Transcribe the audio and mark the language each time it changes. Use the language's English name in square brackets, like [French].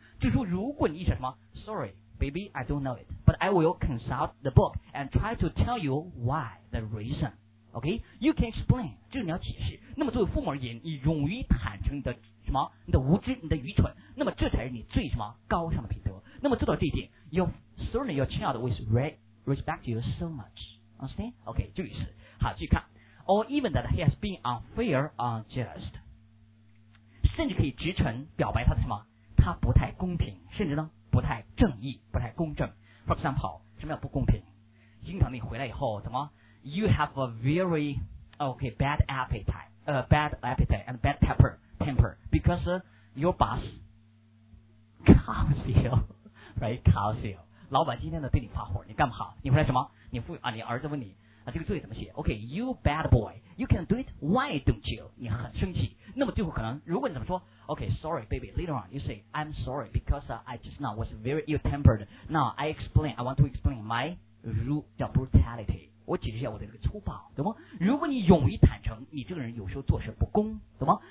[Chinese] 就说如果你意识什么 [English] sorry baby I don't know it but I will consult the book and try to tell you why the reason， OK， you can explain， [Chinese] 就是你要解释。那么作为父母而言，你勇于坦诚你的什么，你的无知，你的愚蠢，那么这才是你最什么高尚的品德。那么做到这一点，要 [English] Certainly your child will respect you so much. Understand? Okay, [Chinese] 注意是。好，继续看。 [English] Or even that he has been unfair or unjust. [Chinese] 甚至可以直陈表白他的什么？他不太公平，甚至呢不太正义，不太公正。 [English] For example, [Chinese] 什么叫不公平？经常你回来以后怎么 [English] ？You have a very okay bad appetite, bad appetite and bad temper because your boss calls you, right? Calls you. [Chinese] 老板今天呢对你发火，你干不好，你回来什么？你父啊，你儿子问你啊，这个作业怎么写 ？ [English] OK, you bad boy, you can do it. Why don't you? [Chinese] 你很生气。那么最后可能，如果你怎么说 ？ [English] OK, sorry, baby. Later on, you say I'm sorry because I just now was very ill-tempered. Now I explain. I want to explain my brutality. [Chinese] 我解释一下我的这个粗暴，懂吗？如果你勇于坦诚，你这个人有时候做事不公，懂吗？